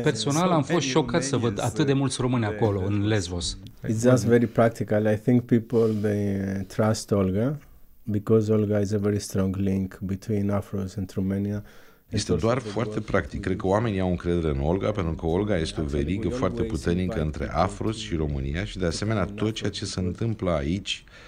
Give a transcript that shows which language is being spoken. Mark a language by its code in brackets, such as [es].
[ro] Personal am fost șocat să văd atât de mulți români acolo în Lesbos. [en] It's just very practical. I think people they trust Olga because Olga is a very strong link between Afros and Romania. [ro] Este doar foarte practic. Cred că oamenii au încredere în Olga pentru că Olga este o verigă foarte puternică între Afros și România și de asemenea tot ceea ce se întâmplă aici.